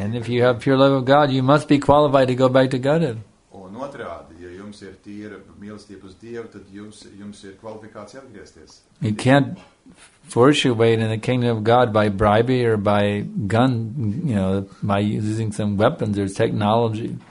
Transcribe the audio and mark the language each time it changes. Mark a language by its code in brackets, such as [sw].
[en] And if you have pure love of God, you must be qualified to go back to God. [lv] Un otrādi, ja jums ir tīra mīlestība uz Dievu, tad jums ir kvalifikācija atgriezties. [en] You can't force your way in the kingdom of God by bribery or by gun, you know, by using some weapons or technology.